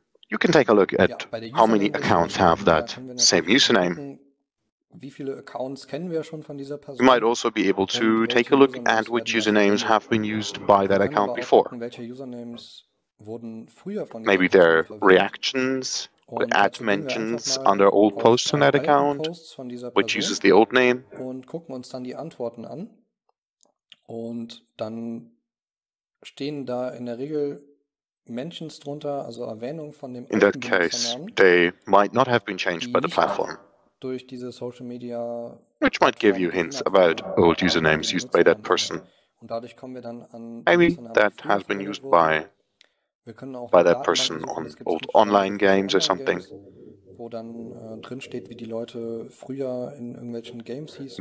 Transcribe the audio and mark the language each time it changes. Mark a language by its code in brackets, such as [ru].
[en] You can take a look at how many accounts have that same username. [de] Wie viele Accounts kennen wir schon von dieser Person? [en] You might also be able to take a look at which usernames have been used by that account before. Maybe their reactions, the ad mentions under old posts on that account, which uses the old name. [de] Und gucken uns dann die Antworten an. Und dann stehen da in der Regel Mentions drunter, also Erwähnung von dem. [en] In that case, they might not have been changed by the platform. [de] Durch diese Social Media. [en] Which might give you hints about old usernames used by that person. [de] Und dadurch kommen wir dann an. [en] Maybe that has been used by. [de] Wir können auch [en] by that person on old online games or something. [de] Wo dann drin steht, wie die Leute früher in irgendwelchen Games hießen.